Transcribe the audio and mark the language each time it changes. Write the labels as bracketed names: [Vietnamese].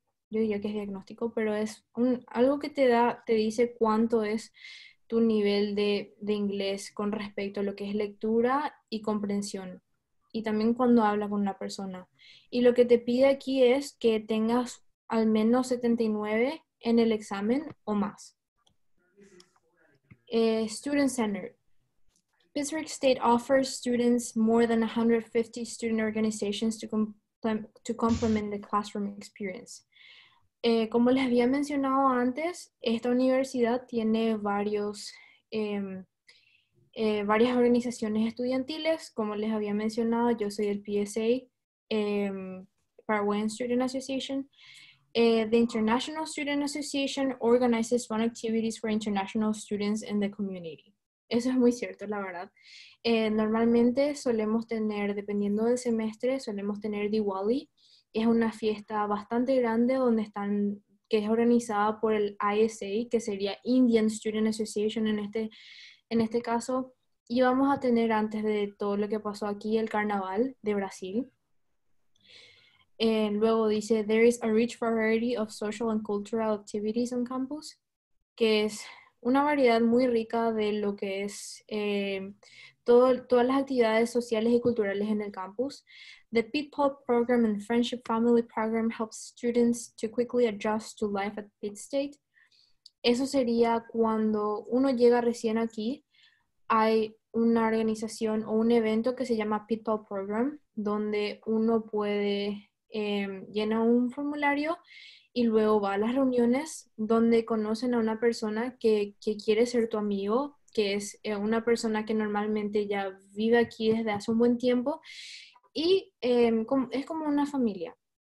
[Spanish] Yo diría que es diagnóstico, pero es algo que te da, te dice cuánto es tu nivel de inglés con respecto a lo que es lectura y comprensión. Y también cuando habla con una persona. Y lo que te pide aquí es que tengas al menos 79 en el examen o más. [English] Student Center. Pittsburgh State offers students more than 150 student organizations to complement the classroom experience. [Spanish] Como les había mencionado antes, esta universidad tiene varias organizaciones estudiantiles. Como les había mencionado, yo soy el PSA, Paraguayan Student Association. [English] The International Student Association organizes fun activities for international students in the community. [Spanish] Eso es muy cierto, la verdad. Normalmente solemos tener, dependiendo del semestre, solemos tener Diwali. Es una fiesta bastante grande donde están, que es organizada por el ISA, que sería Indian Student Association en este caso. Y vamos a tener, antes de todo lo que pasó aquí, el Carnaval de Brasil. Luego dice, [English] there is a rich variety of social and cultural activities on campus, [Spanish] que es una variedad muy rica de lo que es todas las actividades sociales y culturales en el campus. [English] The Pit Pop Program and Friendship Family Program helps students to quickly adjust to life at Pitt State. [Spanish] Eso sería cuando uno llega recién aquí, hay una organización o un evento que se llama Pit Pop Program, donde uno puede llena un formulario y luego va a las reuniones donde conocen a una persona que quiere ser tu amigo, que es una persona que normalmente ya vive aquí desde hace un buen tiempo y es como una familia.